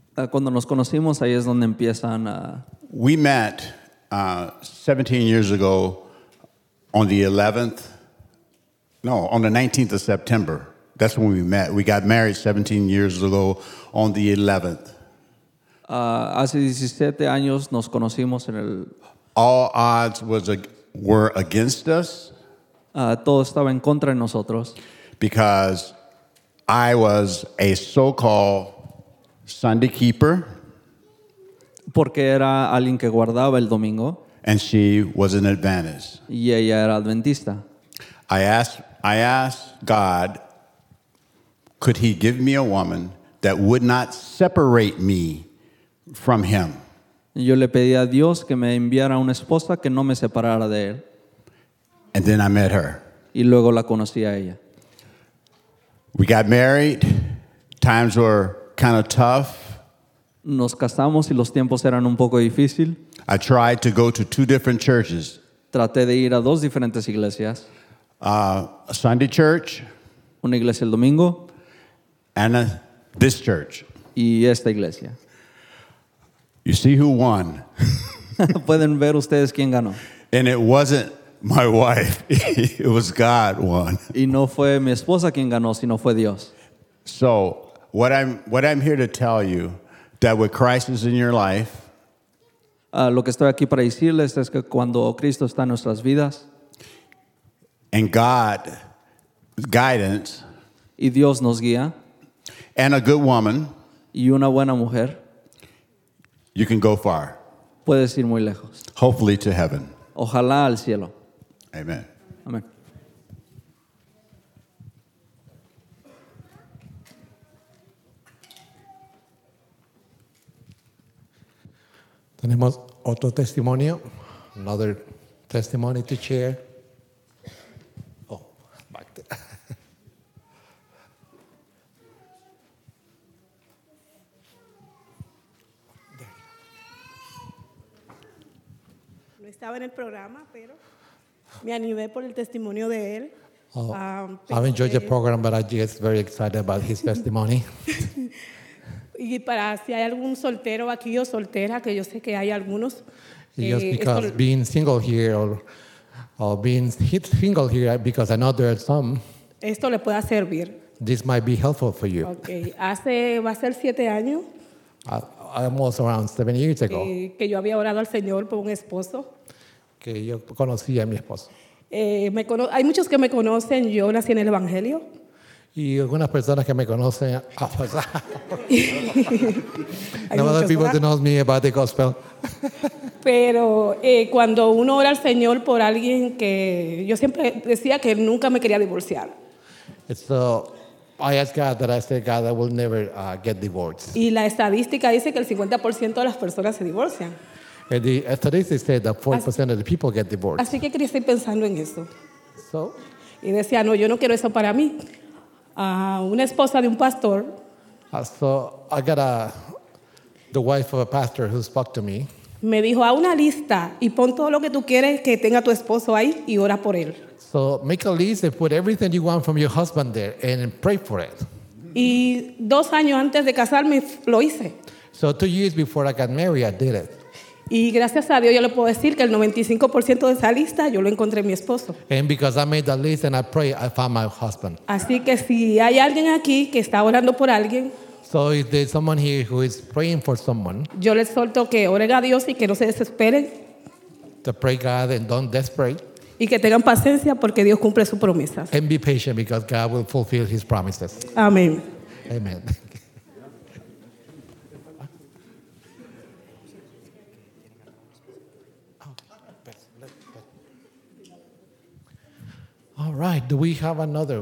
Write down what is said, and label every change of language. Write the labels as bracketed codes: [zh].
[es] Cuando nos conocimos, ahí es donde empiezan. [en] We met 17 years ago on the 11th, no, on the 19th of September. That's when we met. We got married 17 years ago on the 11th. [es] Hace 17 años nos conocimos en el. [en] All odds were against us. [es] Todo estaba en contra de nosotros. [en] Because I was a so-called Sunday keeper. [es] Porque era alguien que guardaba el domingo. [en] And she was an Adventist. [es] Y ella era adventista. [en] I asked God, could he give me a woman that would not separate me from him? [es] Yo le pedí a Dios que me enviara una esposa que no me separara de él. [en] And then I met her. [es] Y luego la conocí a ella. [en] We got married. Times were kind of tough. [es] Nos casamos y los tiempos eran un poco difícil. [en] I tried to go to two different churches. [es] Traté de ir a dos diferentes iglesias. [en] A Sunday church. [es] Una iglesia el domingo. [en] And this church. [es] Y esta iglesia. [en] You see who won. [es] Pueden ver ustedes quién ganó. [en] And it wasn't my wife. It was God won. [es] Y no fue mi esposa quien ganó, sino fue Dios. [en] So what I'm here to tell you that with Christ is in your life. [es] Lo que estoy aquí para decirles es que cuando Cristo está en nuestras vidas. [en] And God's guidance. [es] Y Dios nos guía. [en] And a good woman. [es] Y una buena mujer. [en] You can go far. [es] Puedes ir muy lejos. [en] Hopefully to heaven. [es] Ojalá al cielo. [en] Amen. Amen. [es] Tenemos otro testimonio. [en] Another testimony to share. Oh, back there. [es] Estaba en el programa, pero me animé por el testimonio de él. [en] I've enjoyed the program, but I just very excited about his testimony. [es] Y para si hay algún soltero aquí o soltera, que yo sé que hay algunos. [en] Just because being single here or being single here, because I know there are some. [es] Esto le pueda servir. [en] This might be helpful for you. [es] Okay, hace va a ser 7 años. [en] Almost around 7 years ago. [es] Que yo había orado al Señor por un esposo. Que yo conocí a mi esposo. Hay muchos que me conocen, yo nací en el Evangelio. Y algunas personas que me conocen. Hay muchas personas que conocen me [en] about the gospel. [es] Pero cuando uno ora al Señor por alguien que. Yo siempre decía que nunca me quería divorciar. [en] So I asked God that I said, God, I will never get divorced. [es] Y la estadística dice que el 50% de las personas se divorcian. [en] And the statistics say that 40% of the people get divorced. [es] Así que quería estar pensando en eso. [en] So? [es] Y decía, no, yo no quiero eso para mí. Una esposa de un pastor. [en] So I got the wife of a pastor who spoke to me. [es] Me dijo, haz una lista y pon todo lo que tú quieres que tenga tu esposo ahí y ora por él. [en] So make a list and put everything you want from your husband there and pray for it. [es] Y 2 años antes de casarme lo hice. [en] So 2 years before I got married, I did it. [es] Y gracias a Dios yo le puedo decir que el 95% de esa lista yo lo encontré en mi esposo. [en] And because I made the list and I pray, I found my husband. [es] Así que si hay alguien aquí que está orando por alguien, [en] so if there's someone here who is praying for someone, [es] yo le solto que oren a Dios y que no se desesperen. [en] To pray God and don't desperate. [es] Y que tengan paciencia porque Dios cumple sus promesas. [en] And be patient because God will fulfill his promises. [es] Amén. [en] Amen. All right, do we have another?